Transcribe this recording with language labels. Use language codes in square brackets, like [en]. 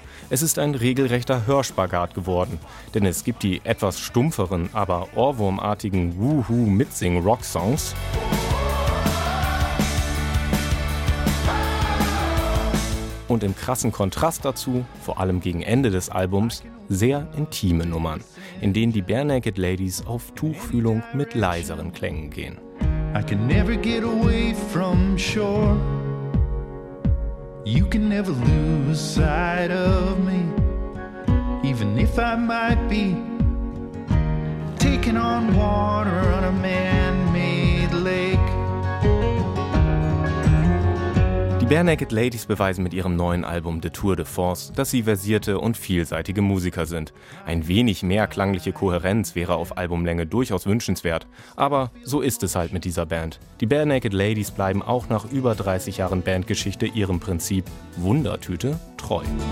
[de] Es ist ein regelrechter Hörspagat geworden, denn es gibt die etwas stumpferen, aber ohrwurmartigen Woohoo-Mitsing-Rock-Songs. Und im krassen Kontrast dazu, vor allem gegen Ende des Albums, sehr intime Nummern, in denen die Bare Naked Ladies auf Tuchfühlung mit leiseren Klängen gehen. [en] I can never get away from shore. You can never lose sight of me. Even if I might be taking on water on a man-made lake. [de] Die Bare Naked Ladies beweisen mit ihrem neuen Album The Tour de Force, dass sie versierte und vielseitige Musiker sind. Ein wenig mehr klangliche Kohärenz wäre auf Albumlänge durchaus wünschenswert. Aber so ist es halt mit dieser Band. Die Bare Naked Ladies bleiben auch nach über 30 Jahren Bandgeschichte ihrem Prinzip Wundertüte treu.